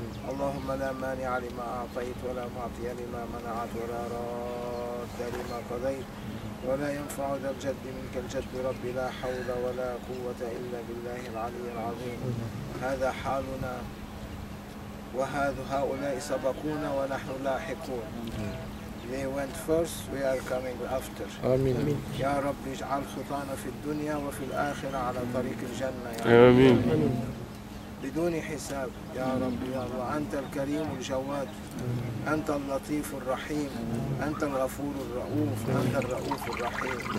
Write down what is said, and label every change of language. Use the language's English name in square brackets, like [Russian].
[Arabic] اللهم لا مانع لما أعطيت ولا معطي لما منعت ولا راد لما قضيت، ولا ينفع ذا الجد منك الجد، رب لا حول ولا قوة إلا بالله العلي العظيم. هذا حالنا وهذا هؤلاء سبقونا ونحن لاحقون. [English] They went first, we are coming after. [Arabic] آمين. يا رب اجعل خطانا في الدنيا وفي الآخرة على طريق الجنة يا رب. آمين. بدون حساب يا رب يا الله، أنت الكريم الجواد، أنت اللطيف الرحيم، أنت الغفور الرؤوف، أنت الرؤوف الرحيم.